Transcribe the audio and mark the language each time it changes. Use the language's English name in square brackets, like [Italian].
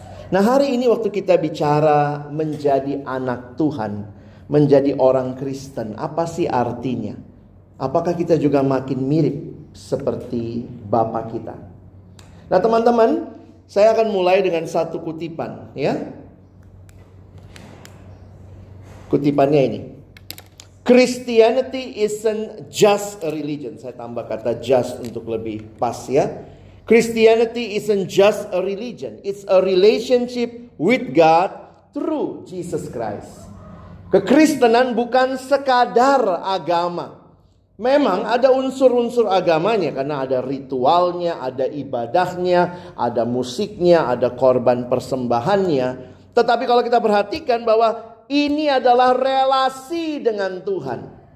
[Indonesian] Nah hari ini waktu kita bicara menjadi anak Tuhan, menjadi orang Kristen, apa sih artinya? Apakah kita juga makin mirip seperti Bapa kita? Nah teman-teman, saya akan mulai dengan satu kutipan ya. Kutipannya ini. [English] Christianity isn't just a religion. [Indonesian] Saya tambah kata just untuk lebih pas ya. [English] Christianity isn't just a religion. It's a relationship with God through Jesus Christ. [Indonesian] Kekristenan bukan sekadar agama. Memang ada unsur-unsur agamanya karena ada ritualnya, ada ibadahnya, ada musiknya, ada korban persembahannya. Tetapi kalau kita perhatikan bahwa ini adalah relasi dengan Tuhan.